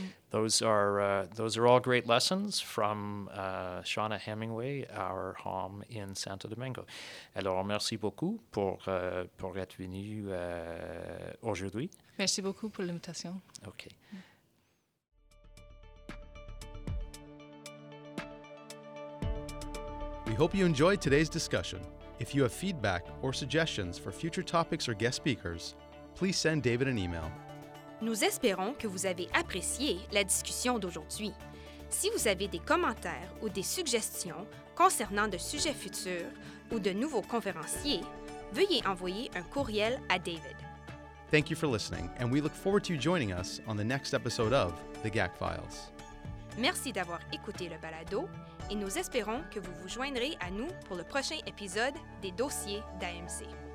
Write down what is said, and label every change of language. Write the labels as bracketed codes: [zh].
[en] Those are all great lessons from Shauna Hemingway, our hom in Santo Domingo. [fr] Alors, merci beaucoup pour être venu aujourd'hui. Merci beaucoup pour l'invitation. [en] Okay. We hope you enjoyed today's discussion. If you have feedback or suggestions for future topics or guest speakers, please send David an email. [fr] Nous espérons que vous avez apprécié la discussion d'aujourd'hui. Si vous avez des commentaires ou des suggestions concernant de sujets futurs ou de nouveaux conférenciers, veuillez envoyer un courriel à David. [en] Thank you for listening, and we look forward to you joining us on the next episode of The GAC Files. [fr] Merci d'avoir écouté le balado, et nous espérons que vous vous joindrez à nous pour le prochain épisode des Dossiers d'AMC.